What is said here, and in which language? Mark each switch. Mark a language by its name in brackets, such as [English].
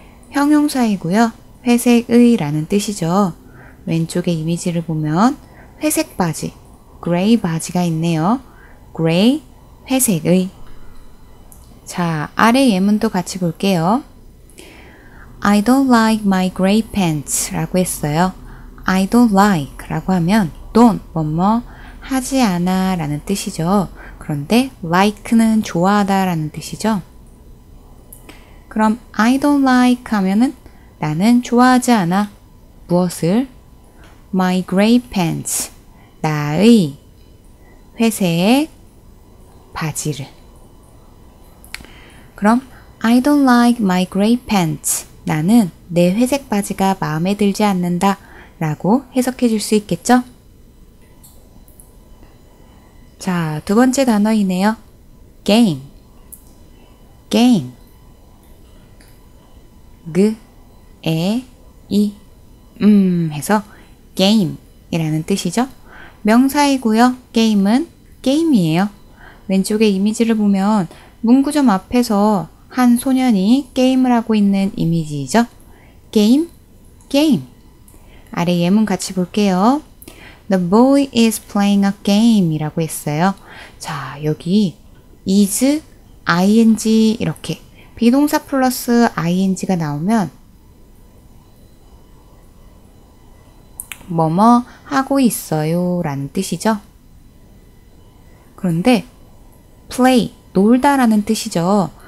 [Korean] 형용사이고요. 회색의라는 뜻이죠. 왼쪽에 이미지를 보면 회색 바지, gray 바지가 있네요. gray, 회색의. 자, 아래 예문도 같이 볼게요. [English] I don't like my gray pants [Korean] 라고 했어요. [English] I don't like [Korean] 라고 하면 don't, 뭐뭐, 하지 않아 라는 뜻이죠. 그런데 like는 좋아하다 라는 뜻이죠. 그럼 [English] I don't like [Korean] 하면은 나는 좋아하지 않아. 무엇을? [English] My gray pants. [Korean] 나의 회색 바지를. 그럼 [English] I don't like my gray pants. [Korean] 나는 내 회색 바지가 마음에 들지 않는다 라고 해석해 줄수 있겠죠? 자, 두 번째 단어이네요. game, game. 그, 에, 이, 해서 game이라는 뜻이죠? 명사이고요. 게임은 게임이에요. 왼쪽에 이미지를 보면 문구점 앞에서 한 소년이 게임을 하고 있는 이미지이죠. 게임, 게임. 아래 예문 같이 볼게요. [English] The boy is playing a game이라고 [Korean] 했어요. 자, 여기 is, ing 이렇게 비동사 플러스 ing가 나오면 뭐뭐 하고 있어요 라는 뜻이죠. 그런데 play, 놀다 라는 뜻이죠.